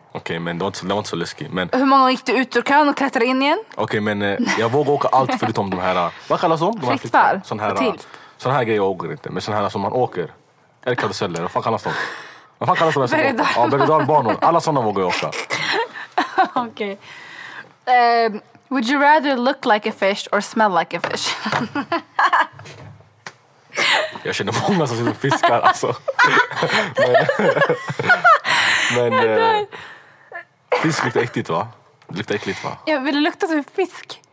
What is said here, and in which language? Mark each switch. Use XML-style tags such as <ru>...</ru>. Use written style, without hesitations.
<sv>Okej, men det var inte så läskigt. Men... Hur många gick du ut ur kön och klättrade in igen? Okej, men jag vågar åka allt förutom de här... Vad kallas de? Flyttfall. Sån här grejer åker inte. Men sån här som man åker. Är det karuseller? Vad fan kallas de? Vad fan kallas de här som åker? Ja, Bergedalbanor. Alla såna vågar jag åka. Okej.</sv> <en>Would you rather look like a fish or smell like a fish?</en> <sv>Jag känner många som sitter och fiskar, alltså. Men fisk luktar äckligt, va? Det luktar äckligt, va? Ja, vill du lukta som en fisk?</sv>